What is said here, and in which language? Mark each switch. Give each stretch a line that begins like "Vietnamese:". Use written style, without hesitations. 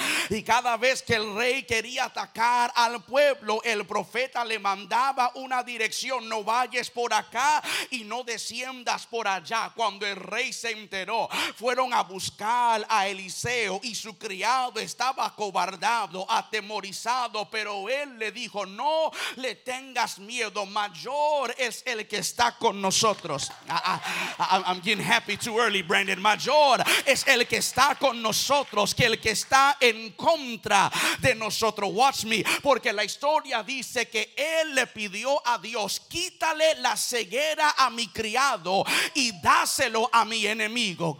Spanish: Y cada vez que el rey quería atacar al pueblo, el profeta le mandaba una dirección: no vayas por acá y no desciendas por allá. Cuando el rey se enteró, fueron a buscar a Eliseo y su criado estaba acobardado, atemorizado. Pero él le dijo: no le tengas miedo, mayor es el que está con nosotros.
English: I'm getting happy too early, Brandon.
Spanish: Mayor es el que está con nosotros que el que está en contra de nosotros.
English: Watch me.
Spanish: Porque la historia dice que él le pidió a Dios: quítale la ceguera a mi criado y dáselo a mi enemigo.